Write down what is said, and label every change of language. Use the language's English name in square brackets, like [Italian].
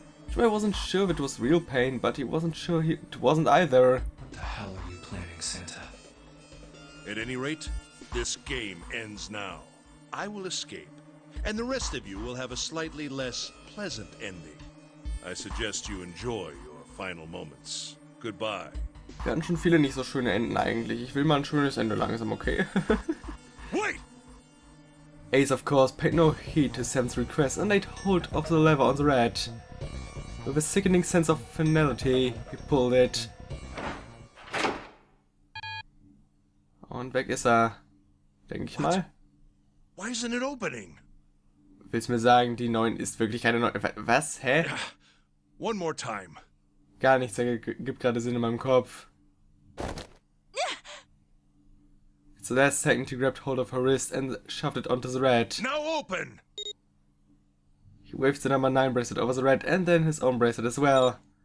[English] Junpei wasn't sure if it was real pain, but he wasn't sure it wasn't either. What the hell are you planning, Center? At any rate, this game ends now. I will escape, and the rest of you will have a slightly less pleasant ending. I suggest you enjoy your final moments. Goodbye. [German] Wir hatten schon viele nicht so schöne Enden eigentlich. Ich will mal ein schönes Ende langsam, okay? [English] Wait! Ace, of course, paid no heed to Sam's request and laid hold of the lever on the red. With a sickening sense of finality, he pulled it. [German] Und weg ist er, denke ich mal. [English] Why isn't it opening? [German] Willst du mir sagen, die 9 ist wirklich keine 9? Was? Hä? [English] One more time. [German] Gar nichts, ergibt gerade Sinn in meinem Kopf. [English] It's the last second, he grabbed hold of her wrist and shoved it onto the red. Now open! He waved the number 9 bracelet over the red and then his own bracelet as well.